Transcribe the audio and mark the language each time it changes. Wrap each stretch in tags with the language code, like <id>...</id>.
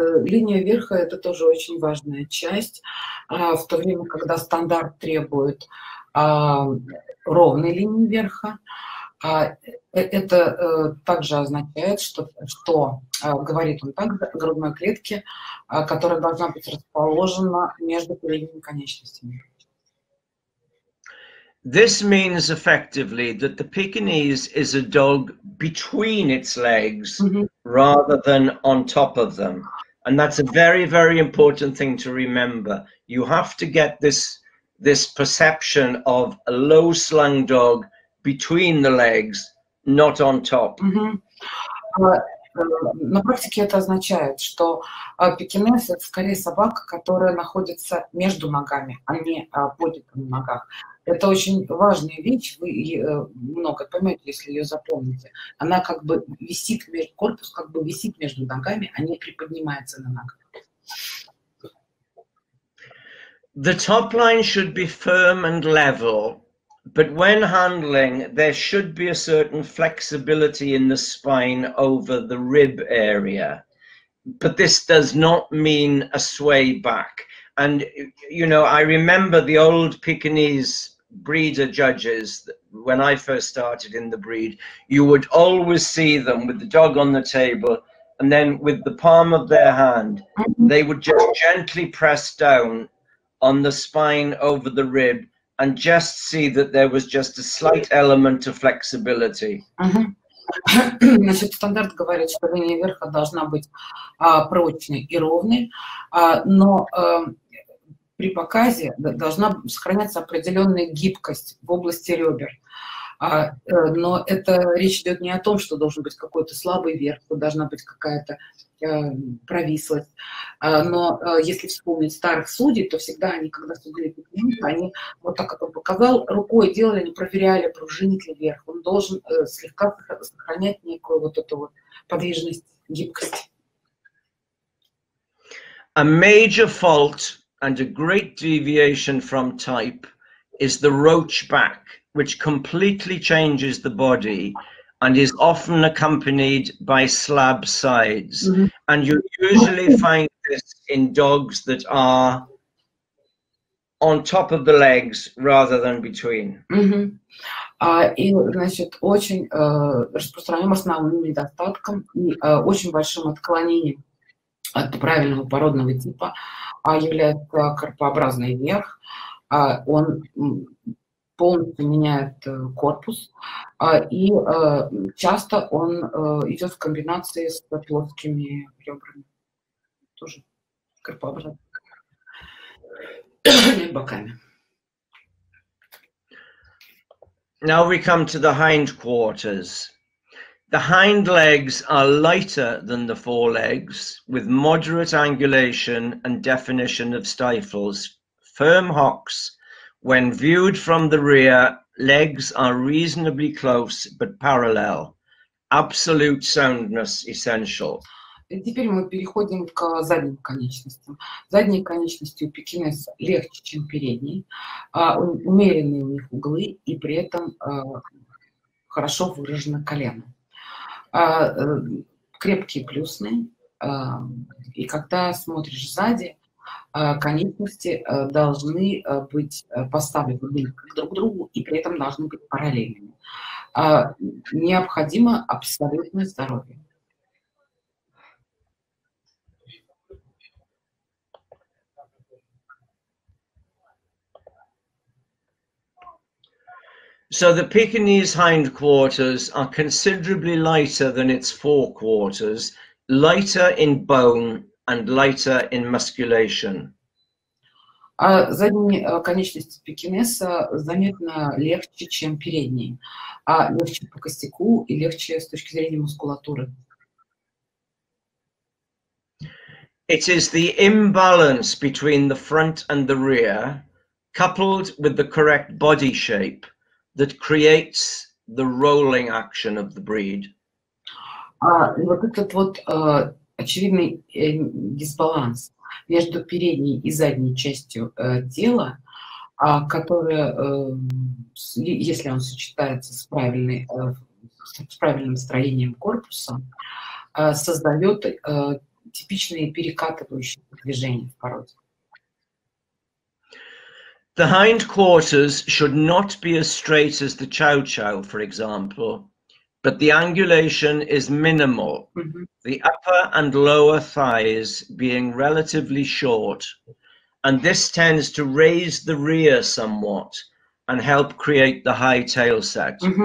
<ru>Линия верха – это тоже очень важная часть. В то время, когда стандарт требует ровной линии верха, это также означает, говорит он также, о грудной клетке, которая должна быть расположена между передними конечностями.</ru> <en>This means effectively that the Pekinese is a dog between its legs rather than on top of them. And that's a very, very important thing to remember. You have to get this perception of a low slung dog between the legs, not on top.</en> <ru>На практике это означает, что пекинес – это скорее собака, которая находится между ногами, а не будет на ногах. Это очень важная вещь, вы много поймете, если ее запомните. Она как бы висит, корпус как бы висит между ногами, а не приподнимается на ногах.</ru> <en>The top line should be firm and level, but when handling, there should be a certain flexibility in the spine over the rib area. But this does not mean a sway back. And, you know, I remember the old Pekinese breeder judges, when I first started in the breed, you would always see them with the dog on the table, and then with the palm of their hand, they would just gently press down on the spine over the rib and just see that there was just a slight element of flexibility.</en> <ru>Значит, стандарт говорит, что линия верха должна быть прочной и ровной, но при показе должна сохраняться определенная гибкость в области ребер. Но это речь идет не о том, что должен быть какой-то слабый верх, должна быть какая-то провислость. Но если вспомнить старых судей, то всегда они, когда судили пекинеса, они вот так, как он показал, рукой делали, они проверяли, пружинит ли верх. Он должен слегка сохранять некую вот эту вот подвижность, гибкость.</ru> <en>A major fault and a great deviation from type is the roach back, which completely changes the body and is often accompanied by slab sides. Mm-hmm. And you usually find this in dogs that are on top of the legs rather than between. Mm-hmm.</en> <ru>И, значит, очень распространенным основным недостатком, очень большим отклонением от правильного породного типа является карпообразный верх. Он полностью меняет корпус, и часто он идет в комбинации с плоскими ребрами, тоже карпообразными боками.</ru> <en>Now we come to the hind quarters. The hind legs are lighter than the forelegs, with moderate angulation and definition of stifles. Firm hocks. When viewed from the rear, legs are reasonably close but parallel. Absolute soundness essential.</en> <ru>Теперь мы переходим к задним конечностям. Задние конечности у пекинеса легче, чем передние. Умеренные у них углы и при этом хорошо выражено колено. Крепкие плюсны. И когда смотришь сзади, конечности должны быть поставлены друг к другу и при этом должны быть параллельными. Необходимо абсолютное здоровье.</ru> <en>So the Pekinese hindquarters are considerably lighter than its forequarters, lighter in bone and lighter in musculation.</en> <ru>Задние конечности пекинеса заметно легче, чем передние. Легче по костяку и легче с точки зрения мускулатуры.</ru> <en>It is the imbalance between the front and the rear, coupled with the correct body shape, that creates the rolling action of the breed.</en> <ru>Вот этот вот очевидный дисбаланс между передней и задней частью тела, которая, если он сочетается с правильным строением корпуса, создает типичные перекатывающие движения в породе.</ru> <en>The hindquarters should not be as straight as the chow chow, for example, but the angulation is minimal, the upper and lower thighs being relatively short, and this tends to raise the rear somewhat and help create the high tail set.</en>